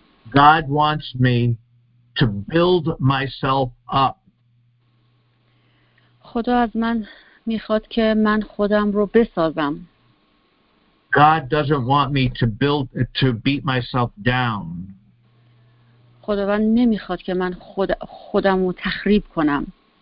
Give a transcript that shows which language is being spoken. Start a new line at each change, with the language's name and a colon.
English: God wants me to build myself up.
Persian: خدا از من میخواد که من خودم رو بسازم.
English: God doesn't want me to beat myself down.
Persian: خداوند نمیخواد که من خودم رو تخریب کنم.